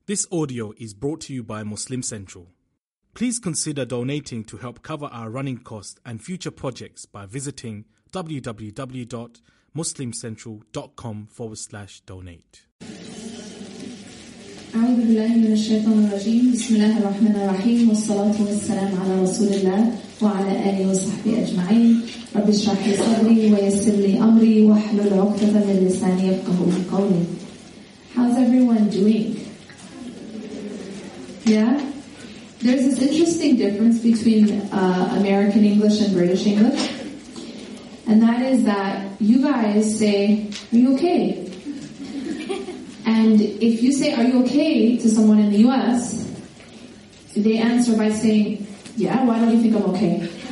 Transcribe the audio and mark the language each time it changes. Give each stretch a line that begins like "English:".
English: This audio is brought to you by Muslim Central. Please consider donating to help cover our running costs and future projects by visiting www.muslimcentral.com/donate.
Arabic: أعوذ بالله من الشيطان الرجيم بسم الله الرحمن الرحيم والصلاة والسلام على رسول الله وعلى آله وصحبه أجمعين رب اشرح لي صدري ويسر لي أمري واحلل عقدة من لساني يفقهوا قولي.
English: How's everyone doing? Yeah? There's this interesting difference between American English and British English, and that is that you guys say, are you okay? And if you say, are you okay, to someone in the U.S., they answer by saying, yeah, why don't you think I'm okay?